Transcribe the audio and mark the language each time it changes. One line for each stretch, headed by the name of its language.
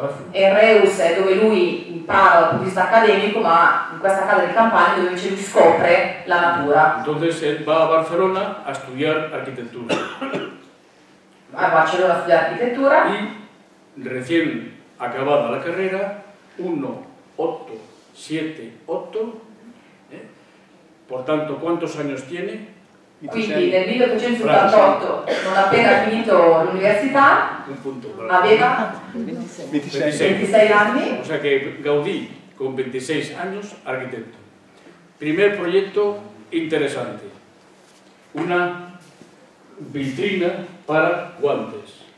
Italian: E Reus è dove lui impara dal punto di vista accademico, ma in questa casa di campagna dove invece lui scopre la natura.
Spanish: Entonces él va a Barcelona a
Italian: studiare architettura. Va a Barcelona a studiare architettura.
Spanish: E recién acabada la carrera, 1878, por tanto, quantos años tiene?
Italian: Quindi nel 1878, non appena finito l'università, aveva 26 anni.
Spanish: O sea que Gaudí, con 26 anni, architetto. Primer
Italian: progetto interessante,
Spanish: una vitrina per guantes.